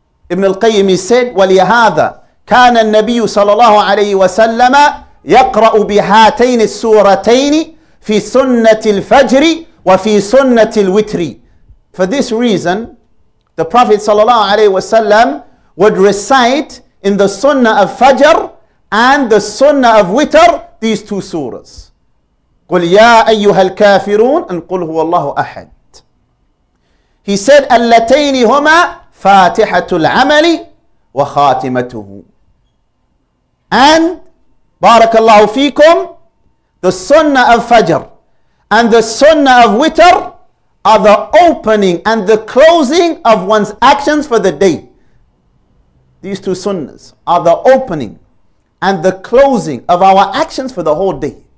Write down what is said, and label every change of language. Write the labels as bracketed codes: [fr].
[en] Ibn al-Qayyim said, [ar] وَلِهَذَا كَانَ النَّبِيُّ صَلَى اللَّهُ عَلَيْهِ وَسَلَّمَ يَقْرَأُ بِهَاتَيْنِ السُّورَتَيْنِ فِي سُنَّةِ الْفَجْرِ وَفِي سُنَّةِ الْوِتْرِ. [en] For this reason, the Prophet صلى الله عليه وسلم would recite in the sunnah of Fajr and the sunnah of Witr these two surahs. [ar] قُلْ يَا أَيُّهَا الْكَافِرُونَ أَنْ قُلْ هُوَ اللَّهُ أَحَدٌ. [en] He said, [ar] أَلَّتَيْنِ هُمَا فاتحة العمل وخاتمته. [en] And [ar] بارك الله فيكم, [en] the sunnah of Fajr and the sunnah of Witr are the opening and the closing of one's actions for the day. These two sunnahs are the opening and the closing of our actions for the whole day.